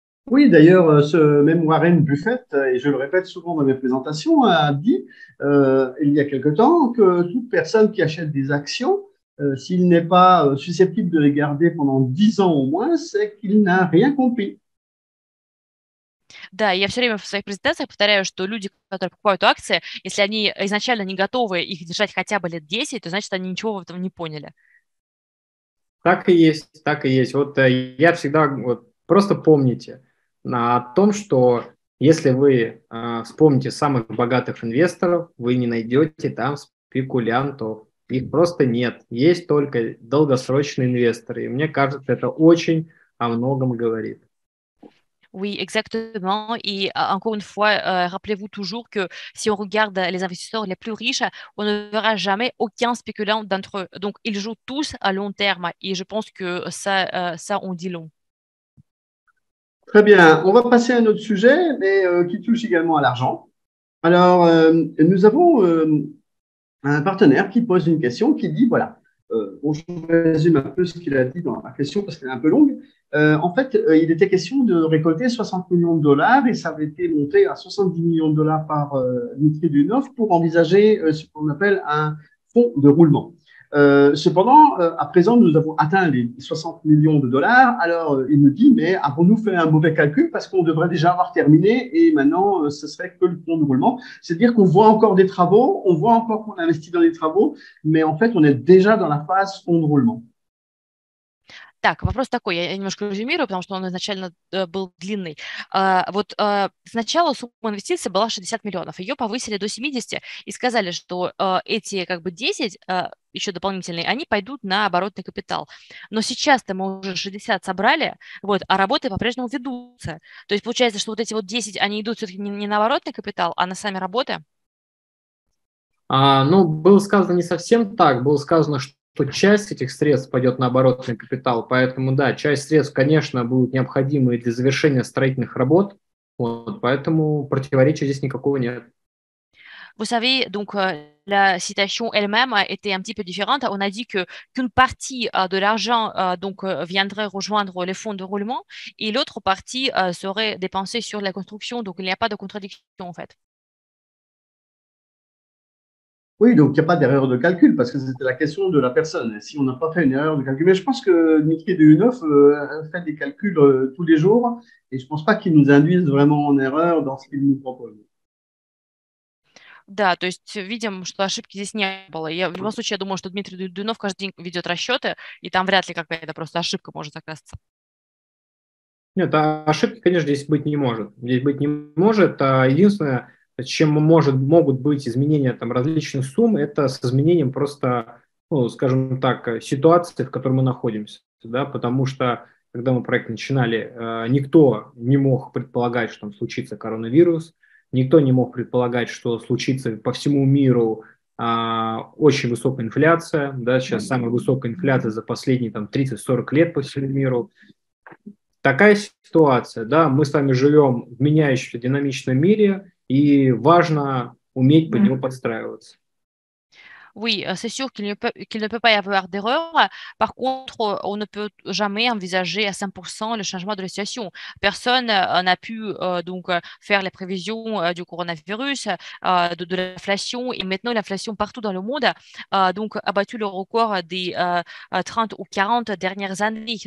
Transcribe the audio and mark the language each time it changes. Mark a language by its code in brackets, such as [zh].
[fr] Oui, d'ailleurs, ce même Warren Buffett, et je le répète souvent dans mes présentations, a dit il y a quelque temps que toute personne qui achète des actions, s'il n'est pas susceptible de les garder pendant 10 ans au moins, c'est qu'il n'a rien compris. [ru] Да, я все время в своих презентациях повторяю, что люди, которые покупают акции, если они изначально не готовы их держать хотя бы лет 10, то значит, они ничего в этом не поняли. Так и есть, так и есть. Вот я всегда вот просто помните о том, что если вы вспомните самых богатых инвесторов, вы не найдете там спекулянтов. Их просто нет. Есть только долгосрочные инвесторы. И мне кажется, это очень о многом говорит. [fr] Oui, exactement. Et encore une fois, rappelez-vous toujours que si on regarde les investisseurs les plus riches, on ne verra jamais aucun spéculant d'entre eux. Donc, ils jouent tous à long terme. Et je pense que ça on dit long. Très bien, on va passer à un autre sujet, mais qui touche également à l'argent. Alors, nous avons un partenaire qui pose une question, qui dit, voilà, bon, je résume un peu ce qu'il a dit dans la question, parce qu'elle est un peu longue. En fait, il était question de récolter 60 millions de dollars, et ça avait été monté à 70 millions de dollars par Dimitri Dunov pour envisager ce qu'on appelle un fonds de roulement. Cependant, à présent, nous avons atteint les 60 millions de dollars. Alors, il me dit, mais avons-nous fait un mauvais calcul parce qu'on devrait déjà avoir terminé et maintenant, ce serait que le fonds de roulement. C'est-à-dire qu'on voit encore des travaux, on voit encore qu'on investit dans des travaux, mais en fait, on est déjà dans la phase fonds de roulement. [ru] Так, вопрос такой, я немножко резюмирую, потому что он изначально был длинный. Вот сначала сумма инвестиций была 60 миллионов, ее повысили до 70 и сказали, что эти как бы 10, еще дополнительные, они пойдут на оборотный капитал. Но сейчас-то мы уже 60 собрали, вот, а работы по-прежнему ведутся. То есть получается, что вот эти вот 10, они идут все-таки не на оборотный капитал, а на сами работы? Ну, было сказано не совсем так. Было сказано, что часть этих средств пойдет на оборотный капитал. Поэтому, да, часть средств, конечно, будут необходимы для завершения строительных работ. Вот, поэтому противоречия здесь никакого нет. [fr] Vous savez, donc, la citation elle-même était un petit peu différente. On a dit que qu'une partie de l'argent donc, viendrait rejoindre les fonds de roulement et l'autre partie serait dépensée sur la construction. Donc, il n'y a pas de contradiction, en fait. Oui, donc il n'y a pas d'erreur de calcul, parce que c'était la question de la personne. Si on n'a pas fait une erreur de calcul, mais je pense que Dmitri de Huneuf fait des calculs tous les jours, et je ne pense pas qu'il nous induise vraiment en erreur dans ce qu'il nous propose. [ru] Да, то есть видим, что ошибки здесь не было. Я, в любом случае, я думаю, что Дмитрий Дунов каждый день ведет расчеты, и там вряд ли какая-то просто ошибка может оказаться. Нет, ошибки, конечно, здесь быть не может. Здесь быть не может. Единственное, чем могут быть изменения там, различных сумм, это с изменением просто, ну, скажем так, ситуации, в которой мы находимся. Да? Потому что, когда мы проект начинали, никто не мог предполагать, что там случится коронавирус. Никто не мог предполагать, что случится по всему миру очень высокая инфляция. Да, сейчас самая высокая инфляция за последние там, 30-40 лет по всему миру. Такая ситуация. Да, мы с вами живем в меняющемся динамичном мире, и важно уметь под него подстраиваться. [fr] Oui, c'est sûr qu'il ne peut pas y avoir d'erreur. Par contre, on ne peut jamais envisager à 100% le changement de la situation. Personne n'a pu donc faire les prévisions du coronavirus, de l'inflation. Et maintenant, l'inflation partout dans le monde donc, a battu le record des 30 ou 40 dernières années.